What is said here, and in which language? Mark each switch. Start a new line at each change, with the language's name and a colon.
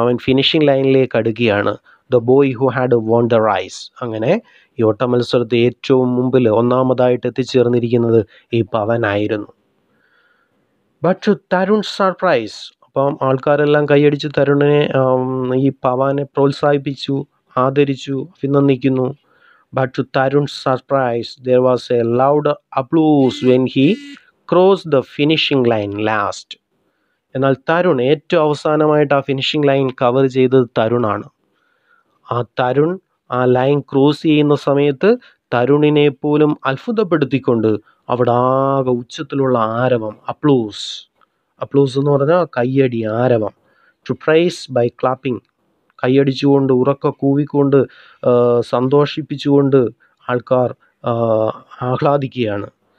Malayalam: അവൻ ഫിനിഷിംഗ് ലൈനിലേക്ക് അടുക്കുകയാണ്.
English: the boy who had won the race,
Malayalam: അങ്ങനെ ഈ ഓട്ട മത്സരത്തിൽ ഏറ്റവും മുമ്പിൽ ഒന്നാമതായിട്ട് എത്തിച്ചേർന്നിരിക്കുന്നത് ഈ പവനായിരുന്നു.
English: but Tarun surprise,
Malayalam: അപ്പം ആൾക്കാരെല്ലാം കൈയടിച്ച് തരുണിനെ, ഈ പവാനെ പ്രോത്സാഹിപ്പിച്ചു, ആദരിച്ചു, അഭിനന്ദിക്കുന്നു.
English: But to Tarun's surprise, there was a loud applause when he crossed the finishing line last.
Malayalam: എന്നാൽ തരുൺ ഏറ്റവും അവസാനമായിട്ട് ആ ഫിനിഷിംഗ് ലൈൻ കവർ ചെയ്തത് തരുണാണ്. ആ തരുൺ ആ ലൈൻ ക്രോസ് ചെയ്യുന്ന സമയത്ത് തരുണിനെ പോലും അത്ഭുതപ്പെടുത്തിക്കൊണ്ട് അവിടെ ആകെ ഉച്ചത്തിലുള്ള ആരവം, അപ്ലൂസ്. അപ്ലൂസ് എന്ന് പറഞ്ഞാൽ കയ്യടി, ആരവം.
English: to praise by clapping,
Malayalam: കൈയടിച്ചുകൊണ്ട്, ഉറക്കെ കൂവിക്കൊണ്ട്, സന്തോഷിപ്പിച്ചുകൊണ്ട് ആൾക്കാർ ആഹ്ലാദിക്കുകയാണ്.